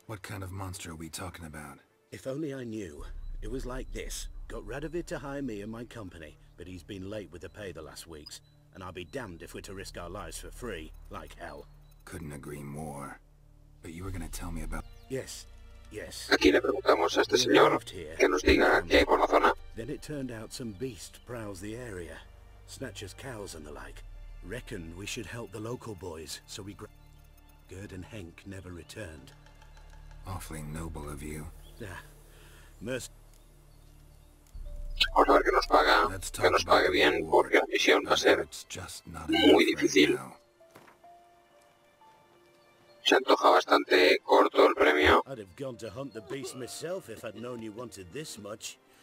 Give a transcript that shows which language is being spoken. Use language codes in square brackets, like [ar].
[en] What kind of monster are we talking about? If only I knew. It was like this. Got rid of it to hire me and my company, but he's been late with the pay the last weeks, and I'll be damned if we're to risk our lives for free, like hell. Couldn't agree more. But you were gonna tell me about. Yes, yes. [es] Aquí le preguntamos a este señor que nos diga qué hay por la zona. [en] Then it turned out some beast prowls the area, snatches cows and the like. Reckon we should help the local boys, so we. And Henk never returned. Awfully noble of you. Yeah. [es] Vamos a ver que nos paga, que nos pague bien, porque la misión va a ser muy difícil. Se antoja bastante corto el premio. [en] I'd have gone to hunt the beast myself if I'd known you wanted this much.